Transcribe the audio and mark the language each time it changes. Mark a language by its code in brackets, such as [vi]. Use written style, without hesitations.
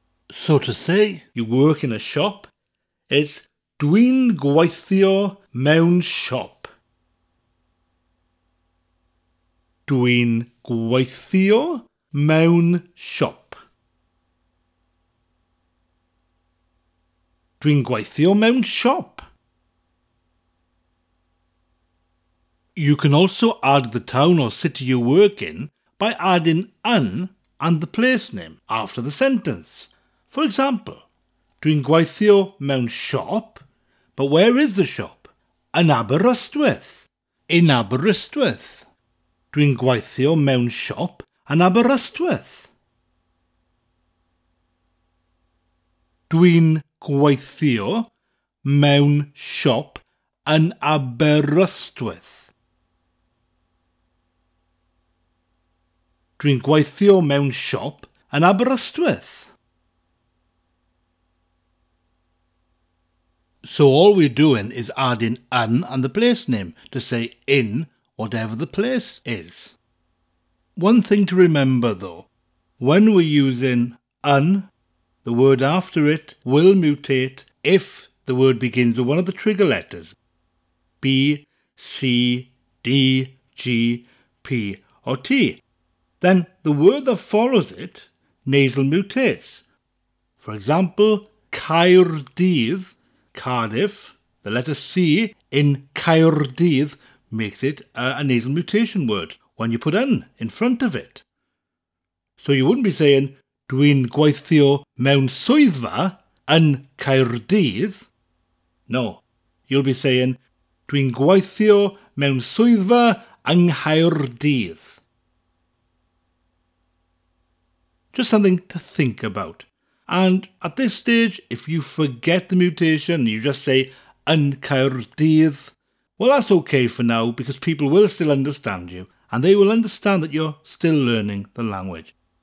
[en] So to say, you work in a shop, it's [cy] dwi'n gweithio mewn shop. Dwi'n gweithio mewn shop. Dwi'n gweithio mewn shop. [en] You can also add the town or city you work in by adding an and the place name after the sentence. For example, [cy] dwi'n gweithio mewn shop, [en] but where is the shop? [cy] Yn Aberystwyth. [en] In Aberystwyth. [cy] Dwi'n gweithio mewn shop yn Aberystwyth. Dwi'n gweithio mewn shop yn Aberystwyth. Dwi'n gweithio mewn siop yn Aberystwyth. [en] So all we're doing is adding an and the place name to say in whatever the place is. One thing to remember though, when we're using an, the word after it will mutate if the word begins with one of the trigger letters. B, C, D, G, P or T. Then the word that follows it, nasal mutates. For example, Caerdydd, Cardiff, the letter C in Caerdydd makes it a nasal mutation word when you put N in front of it. So you wouldn't be saying, [cy] dwi'n gweithio mewn swyddfa yn Caerdydd. [en] No, you'll be saying, [cy] dwi'n gweithio mewn swyddfa yng Nghaerdydd. [en] Just something to think about. And at this stage, if you forget the mutation, you just say [cy] yn Caerdydd, [en] well, that's okay for now because people will still understand you and they will understand that you're still learning the language.